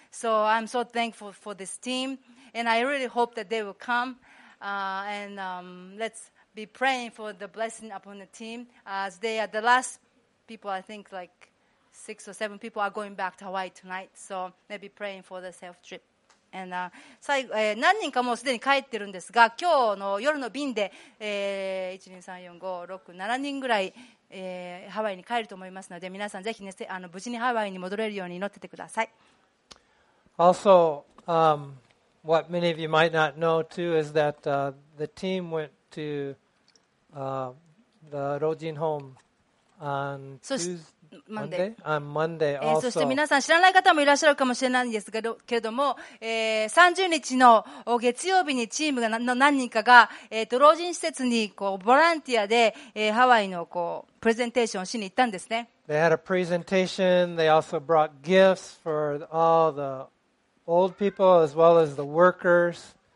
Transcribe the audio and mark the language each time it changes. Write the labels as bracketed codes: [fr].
[en] So I'm so thankful for this team, and I really hope that they will come. Let's be praying for the blessing upon the team as they are the last people. I think like 6 or 7 people are going back to Hawaii tonight. So maybe praying for the self trip. [ja] And 最後、何人かもうすでに帰ってるんですが、今日の夜の便で、1,2,3,4,5,6,7 人ぐらい、ハワイに帰ると思いますので、皆さんぜひ、ね、無事にハワイに戻れるように祈っててください。 [en] Also what many of you might not know too is that the team went to the Rojin home on Tuesday. Monday. [ja] そして皆さん知らない方もいらっしゃるかもしれないんですけれども、30日の月曜日にチームの何人かが、老人施設にこうボランティアで、ハワイのこうプレゼンテーションをしに行ったんですね。 [en] They had a presentation. They also brought gifts for all the old people as well as the workers.